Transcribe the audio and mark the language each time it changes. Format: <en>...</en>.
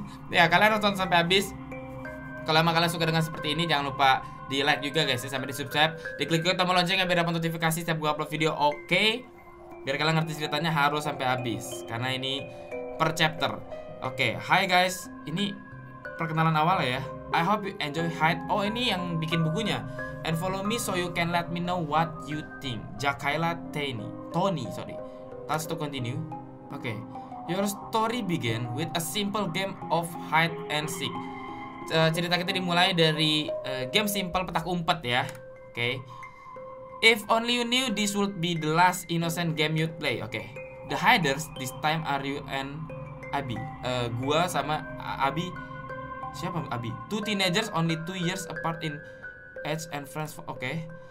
<id>Ya kalian nonton sampai habis. Kalau emang kalian suka dengan seperti ini, jangan lupa di like juga guys ya, sampai di subscribe. Diklik juga tombol loncengnya biar dapat notifikasi setiap gua upload video. Oke. Biar kalian ngerti ceritanya harus sampai habis karena ini per chapter.</id> <en>Oke, hi guys.</en> <id>Ini perkenalan awal ya.</id> <en>I hope you enjoy Hide.</en> <id>Oh, ini yang bikin bukunya.</id> <en>And follow me so you can let me know what you think. Jakaila Tony. That's to continue. Okay. Your story begin with a simple game of hide and seek.</en> <id>Cerita kita dimulai dari game simple petak umpet ya. Okay.</id> <en>If only you knew this would be the last innocent game you'd play. Okay. The hiders this time are you and Abby.</en> <id>Gua sama Abby. Siapa Abi?</id> <en>Two teenagers only 2 years apart in age and friends. Okay.</en>